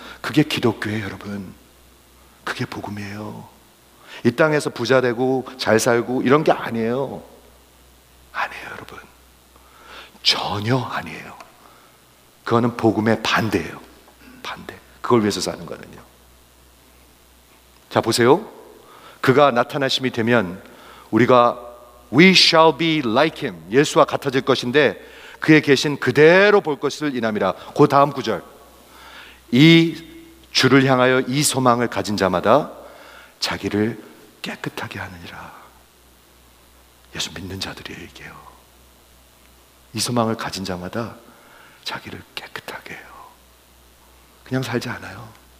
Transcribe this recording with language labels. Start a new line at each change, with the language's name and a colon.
Korean: 그게 기독교예요, 여러분. 그게 복음이에요. 이 땅에서 부자 되고 잘 살고 이런 게 아니에요. 아니에요, 여러분. 전혀 아니에요. 그거는 복음의 반대예요. 반대. 그걸 위해서 사는 거는요. 자, 보세요. 그가 나타나심이 되면 우리가
English: We shall be like him.
Korean: 예수와 같아질 것인데 그의 계신 그대로 볼 것을 인함이라. 그 다음 구절. 이 주를 향하여 이 소망을 가진 자마다 자기를 깨끗하게 하느니라. 예수 믿는 자들이에요, 이게요. 이 소망을 가진 자마다 자기를 깨끗하게 해요. 그냥 살지 않아요.